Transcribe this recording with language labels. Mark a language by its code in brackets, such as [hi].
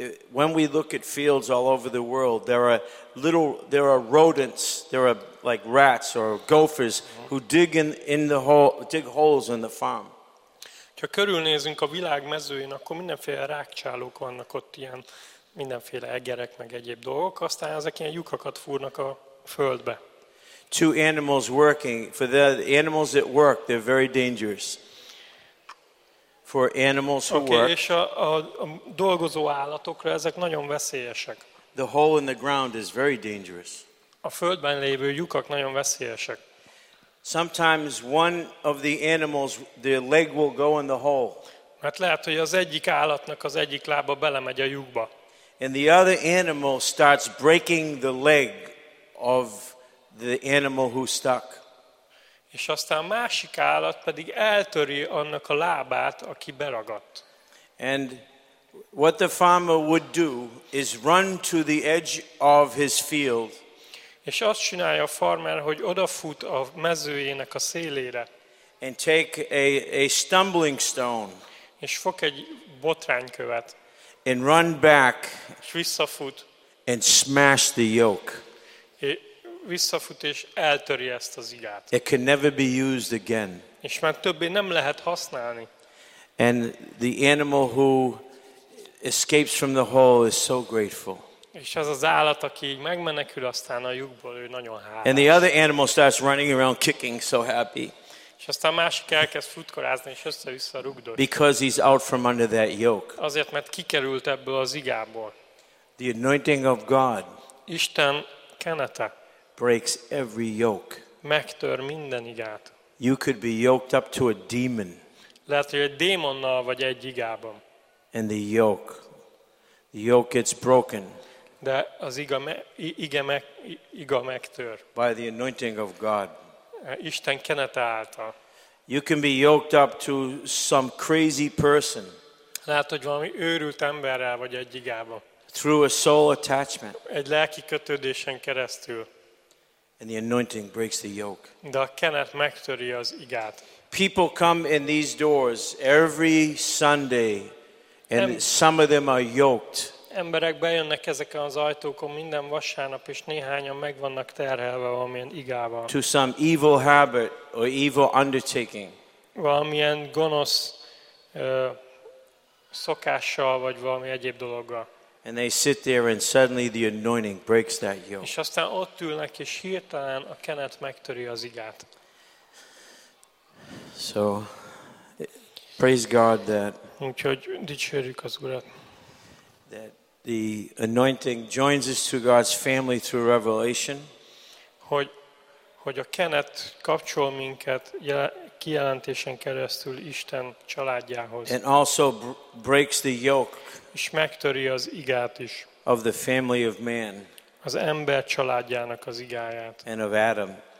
[en] When we look at fields all over the world, there are rodents, there are like rats or gophers who dig holes in the farm. [hu] Ha körülnézünk a világ mezőjén, akkor mindenféle rákcsálók vannak ott, ilyen mindenféle egerek meg egyéb dolgok, aztán ezek ilyen lyukakat fúrnak a földbe. [en] Two animals working, for the animals that work, they're very dangerous. For animals who work. [hu] Okay, és a dolgozó állatokra ezek nagyon veszélyesek. [en] The hole in the ground is very dangerous. [hu] A földben lévő lyukak nagyon veszélyesek. [en] Sometimes one of the animals, their leg will go in the hole. [hu] Mert lehet, hogy az egyik állatnak az egyik lába belemegy a lyukba. [en] And the other animal starts breaking the leg of the animal who stuck. [hu] És aztán a másik állat pedig eltöri annak a lábát, aki beragadt. [en] And What the farmer would do is run to the edge of his field. [hu] És azt csinálja a farmer, hogy odafut a mezőjének a szélére. [en] And take a stumbling stone. [hu] És fog egy botránykövet. [en] And run back. [hu] És visszafut. [en] And smash the yoke. [hu] És visszafut és eltöri ezt az igát. [en] It can never be used again. [hu] És már többé nem lehet használni. [en] And the animal who escapes from the hole is so grateful. [hu] És az az állat, aki így megmenekül aztán a lyukból, ő nagyon hálás. [en] And the other animal starts running around kicking so happy. [hu] És aztán másik elkezd futkorázni és össze-vissza rugdol. [en] Because he's out from under that yoke. [hu] Azért, mert kikerült ebből az igából. [en] The anointing of God. [hu] Isten kenete. [en] Breaks every yoke. [hu] Megtör minden igát. [en] You could be yoked up to a demon. [hu] Lehet, hogy egy démonnal vagy egy igában. [en] And the yoke gets broken. [hu] De az iga megtör. [en] By the anointing of God. [hu] Isten kenete által. [en] You can be yoked up to some crazy person. [hu] Lehet, hogy valami őrült emberrel vagy egy igában. [en] Through a soul attachment. [hu] Egy lelki kötődésen keresztül. [en] And the anointing breaks the yoke. [hu] De a kenet megtöri az igát. [en] People come in these doors every Sunday. And some of them are yoked. [hu] Emberek bejönnek ezeken az ajtókon minden vasárnap, és néhányan meg vannak terhelve valamilyen igával. [en] To some evil habit or evil undertaking. [hu] Valamilyen gonosz szokással vagy valami egyéb dologgal. [en] And they sit there and suddenly the anointing breaks that yoke. [hu] És aztán ott ülnek, és hirtelen a kenet megtöri az igát. [en] So praise God that. [hu] Úgyhogy dicsérjük az Urat. [en] That the anointing joins us to God's family through revelation. [hu] Hogy a kenet kapcsol minket kijelentésen keresztül Isten családjához. [en] And also breaks the yoke. [hu] És megtöri az igát is. [en] Of the family of man. [hu] Az ember családjának az igáját. [en] And of Adam.